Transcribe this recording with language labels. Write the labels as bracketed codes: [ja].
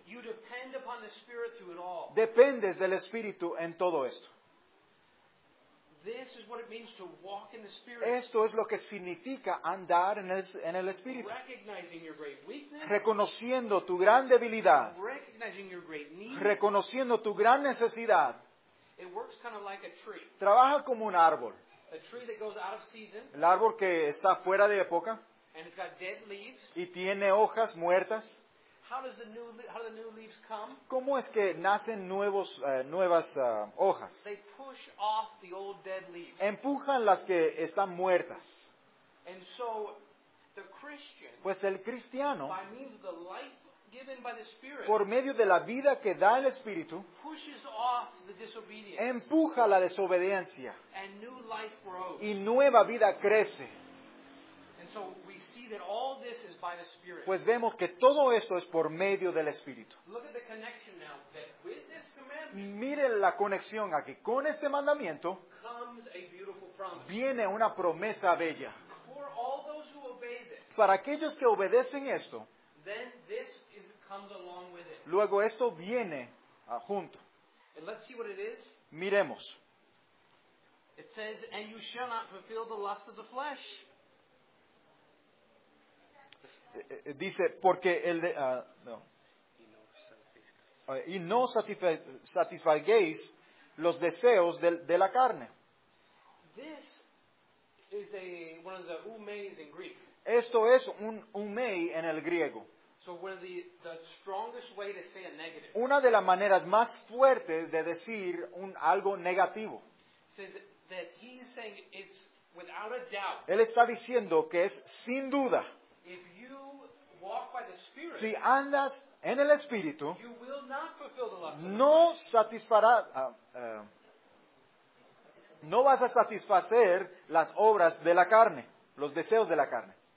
[en] you depend upon the Spirit through it all. [es] Dependes del Espíritu en todo esto. [en] This is what it means to walk in the Spirit. [es] Esto es lo que significa andar en el Espíritu. [en] Recognizing your great weakness, [es] reconociendo tu gran debilidad. [en] Recognizing your great need, [es] reconociendo tu gran necesidad. [en] It works kind of like a tree. [es] Trabaja como un árbol. [en] A tree that goes out of season, [es] el árbol que está fuera de época. [en] And it's got dead leaves, [es] y tiene hojas muertas. [en] How do the new leaves come? [es] ¿Cómo es que nacen nuevos, nuevas hojas? [en] They push off the old dead leaves. [es] Empujan las que están muertas. [en] And so, the Christian, [es] pues el cristiano, [en] by means of the life given by the Spirit, [es] por medio de la vida que da el Espíritu, [en] pushes off the disobedience, [es] empuja la desobediencia. [en] And new life grows. [es] Y nueva vida crece. [en] And so we see that all this is by the Spirit. [es] Pues vemos que todo esto es por medio del Espíritu. [en] Look at the connection now, that with this commandment, [es] miren la conexión aquí. Con este mandamiento [en] comes a beautiful promise. [es] Viene una promesa bella. [en] For all those who obey this, [es] para aquellos que obedecen esto, [en] then this is, comes along with it. [es] Luego esto viene junto. [en] And let's see what it is. [es] Miremos. [en] It says, and you shall not fulfill the lust of the flesh. [es] Dice, porque el de, y no satisfaguéis los deseos de la carne. [en] This is a, one of the umeis in Greek. [es] Esto es un umei en el griego. [en] So one of the strongest way to say a negative. [es] Una de las maneras más fuertes de decir un, algo negativo. [en] Says that he's saying it's without a doubt. [es] Él está diciendo que es sin duda. [en] If you walk by the Spirit, [es] si andas en el Espíritu, [en] you will not fulfill the lust of the [es] no satisfará, no vas a satisfacer las obras de la carne, los deseos de la carne.